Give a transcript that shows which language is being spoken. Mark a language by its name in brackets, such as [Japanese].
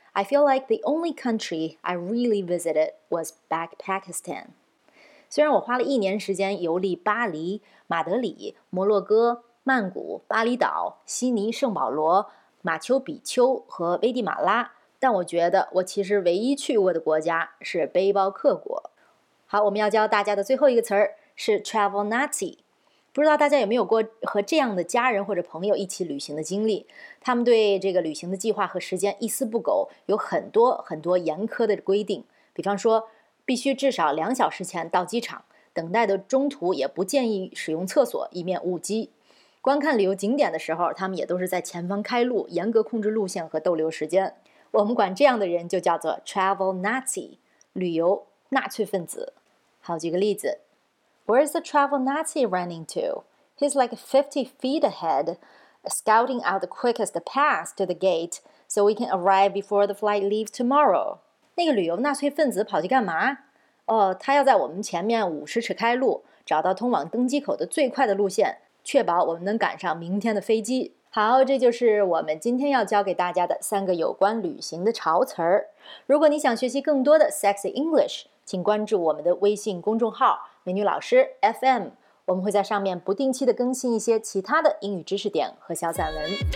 [English] I feel like the only country I really visited was back Pakistan. [Chinese] 虽然我花了一年时间游历巴黎、马德里、摩洛哥、曼谷、巴厘岛、悉尼、圣保罗、马丘比丘和危地马拉，但我觉得我其实唯一去过的国家是背包客国。好，我们要教大家的最后一个词儿是 travel Nazi。不知道大家有没有过和这样的家人或者朋友一起旅行的经历，他们对这个旅行的计划和时间一丝不苟，有很多很多严苛的规定。比方说必须至少两小时前到机场，等待的中途也不建议使用厕所，以免误机。观看旅游景点的时候，他们也都是在前方开路，严格控制路线和逗留时间。我们管这样的人就叫做 travel Nazi， 旅游纳粹分子。好，举个例子， [English] Where's the travel Nazi running to? He's like 50 feet ahead, scouting out the quickest pass to the gate so we can arrive before the flight leaves tomorrow. [Chinese] 那个旅游纳粹分子跑去干嘛？他要在我们前面50尺开路，找到通往登机口的最快的路线，确保我们能赶上明天的飞机。好，这就是我们今天要教给大家的三个有关旅行的潮词儿。如果你想学习更多的 Sexy English, 请关注我们的微信公众号美女老师 FM， 我们会在上面不定期的更新一些其他的英语知识点和小散文。